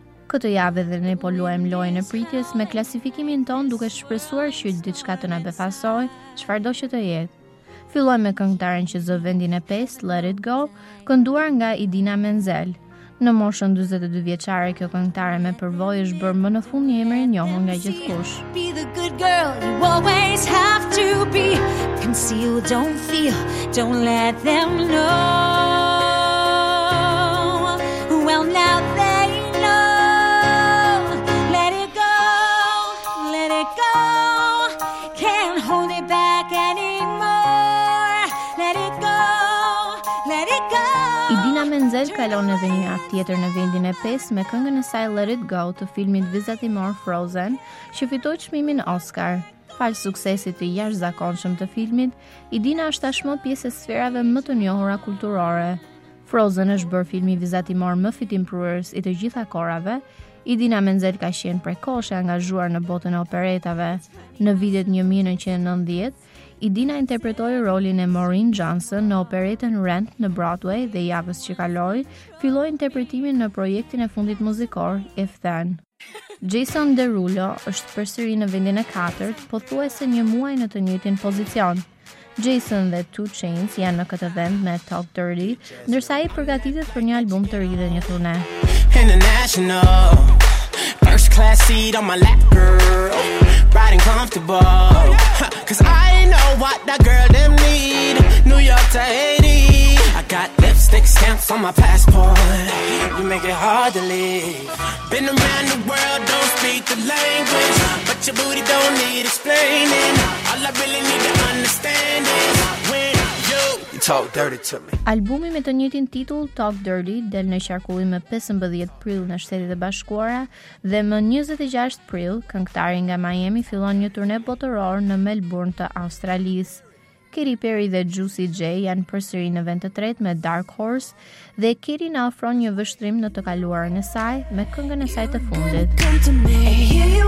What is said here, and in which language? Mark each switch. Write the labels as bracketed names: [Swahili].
[Albanian] Këtë javë dhe ne po luajmë lojën e pritjes me klasifikimin ton duke shpresuar që diçka të na befasoj, çfarëdo që të jetë. Filluam me këngëtaren që zë vendin e 5, Let It Go, kënduar nga Idina Menzel. Në moshën 42 vjeçare, kjo këngëtare me përvojë është bërë më në fund një emër i njohur nga gjithkush. [English] Be the good girl you always have to be. Conceal, don't feel, don't let them know. Well now they know. Let it go, let it go. Can't hold it back anymore. Let it go, let it go. [Albanian] Idina Menzel kalon edhe një javë tjetër në vendin e 5 me këngën e saj Let It Go të filmit vizatimor Frozen, që fitoi çmimin Oscar. Falë suksesit të jashtëzakonshëm të filmit, Idina është tashmë pjesë e sferave më të njohura kulturore. Frozen është bërë filmi vizatimor më fitimprurës i të gjitha kohërave. Idina Menzel ka qenë prekosh e angazhuar në botën e operetave. Në vitet 1990, Idina interpretoi rolin e Maureen Johnson në operetën Rent në Broadway dhe javës që kaloi, filloi interpretimin në projektin e fundit muzikor If Then. Jason Derulo është përsëri në vendin e 4, pothuajse një muaj në të njëjtin pozicion. Jason dhe 2 Chainz janë në këtë vend me Talk Dirty, ndërsa ai përgatitet për një album të ri dhe një turne. [English] First class seat on my lap, girl, riding comfortable, cause I know what that girl them need, New York to Haiti, I got lipstick stamps on my passport, you make it hard to leave, been around the world, don't speak the language, but your booty don't need explaining, all I really need to understand is when Talk Dirty to me. [Albanian] Albumi me të njëjtin titull Talk Dirty del në qarkullim me 15 prill në Shtetet e Bashkuara dhe më 26 prill këngëtari nga Miami fillon një turne botëror në Melbourne të Australisë. Katy Perry dhe Juicy J janë përsëri në vend të tretë me Dark Horse dhe Katy na ofron një vështrim në të kaluarën e saj me këngën e saj të fundit.